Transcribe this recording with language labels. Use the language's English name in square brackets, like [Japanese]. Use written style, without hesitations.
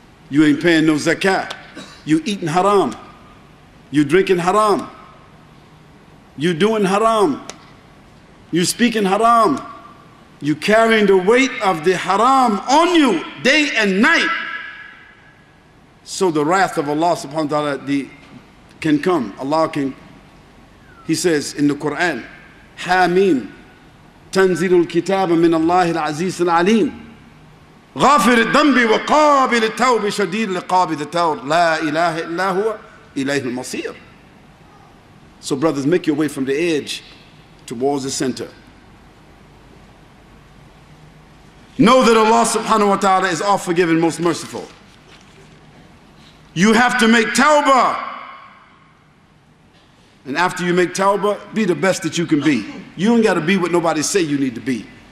[English] You ain't paying no zakah. You eating haram. You drinking haram. You doing haram. You speaking haram. You carrying the weight of the haram on you day and night. So the wrath of Allah subhanahu wa ta'ala can come. Allah can, he says in the Quran, Hameen, [Arabic] تنزيل الكتاب من الله العزيز العليم غافر الذنب وقابل التوب شديد لقاب التور لا إله إلا هو إليه المصير. [English] So brothers, make your way from the edge towards the center. Know that Allah subhanahu wa ta'ala is all forgiving, most merciful. You have to make tawbah. And after you make tawbah, be the best that you can be. You don't got to be what nobody say you need to be.